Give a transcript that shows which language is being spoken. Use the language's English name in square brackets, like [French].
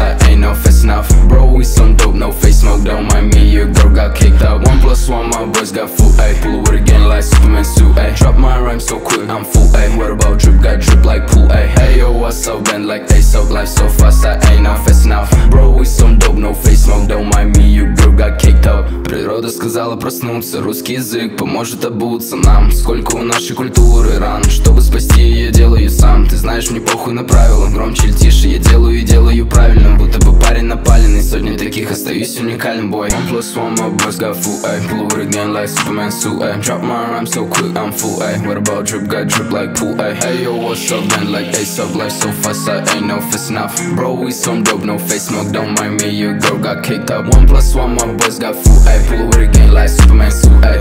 [English] I ain't not fast enough. Bro, we some dope, no face smoke. Don't mind me, your girl got kicked out. 1+1, my boys got full, ayy. Pull with a gang like Superman suit, ayy. Drop my rhyme so quick, I'm full, ayy. What about drip? Got drip like pool, ayy. Ayo, what's up, bend like ASAP, like so fast. I ain't not fast enough. Bro, we some dope, no face smoke. Don't mind me, your girl got kicked out. [Russian] Природа сказала проснуться, русский язык поможет обуться нам. Сколько у нашей культуры ран, чтобы спасти ее, делаю сам. Ты знаешь, мне похуй на правила, громче или тише, я делаю и делаю правильно. Будто бы парень напаленный, сотни таких, остаюсь уникальным, бой. [English] 1+1, my boys got full, ay. Pull over again like Superman suit, ay. Drop my rhyme so quick, I'm full, ay. What about drip, got drip like pool, ay. Ayo, what's up, man, like ASAP, life so fast, I ain't no fast enough. Bro, we some dope, no face smoke, don't mind me, your girl got kicked up. 1+1, my boys got full, ay. Pull over again like Superman suit, ay.